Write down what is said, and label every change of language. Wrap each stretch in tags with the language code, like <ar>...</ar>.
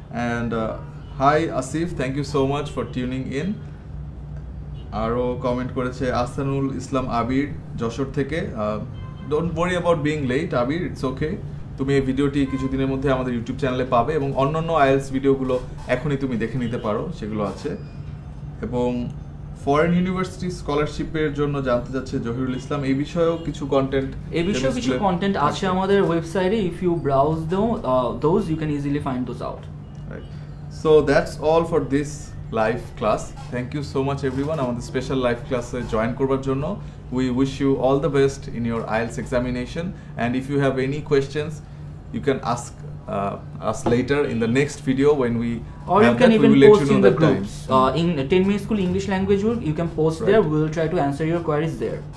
<en>And hi Asif, thank you so much for tuning in.</en> <bn>Aro comment koreche</bn> <en>Asanul Islam Abir Joshor theke, don't worry about being late Abir, it's okay.</en> <bn>তুমি এই ভিডিওটি কিছুদিনের মধ্যে আমাদের YouTube চ্যানেলে পাবে এবং অন্যান্য আইএলস ভিডিওগুলো এখনই তুমি দেখে নিতে পারো, সেগুলো আছে। এবং ফরেন ইউনিভার্সিটি স্কলারশিপের জন্য জানতে চাচ্ছে জহিরুল ইসলাম, এই বিষয়েও কিছু কন্টেন্ট, এই বিষয়ে কিছু কন্টেন্ট আছে আমাদের ওয়েবসাইটে,</bn> <en>If you browse those you can easily find those out. So that's all for this live class, thank you so much everyone</en> <bn>আমাদের স্পেশাল লাইভ ক্লাসে জয়েন করবার জন্য।</bn> <en>We wish you all the best in your IELTS examination, and if you have any questions you can ask us later in the next video when we or you can even post in the groups in 10 minute school English language group, you can post right there, we will try to answer your queries there.</en>